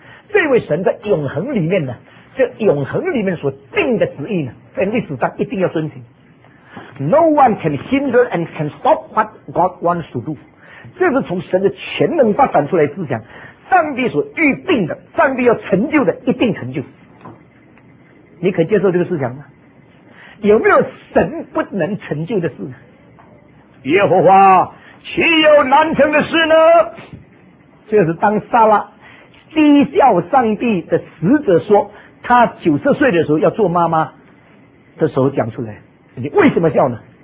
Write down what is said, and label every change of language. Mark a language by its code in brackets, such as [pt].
[zh] 这一位神在永恒里面呢，这永恒里面所定的旨意呢，在历史上一定要遵循。 [en] No one can hinder and can stop what God wants to do. [zh] 这是从神的全能发展出来思想。上帝所预定的，上帝要成就的，一定成就。你可以接受这个思想吗？有没有神不能成就的事呢？耶和华岂有难成的事呢？这是当撒拉讥笑上帝的使者说他90岁的时候要做妈妈的时候讲出来。你为什么笑呢？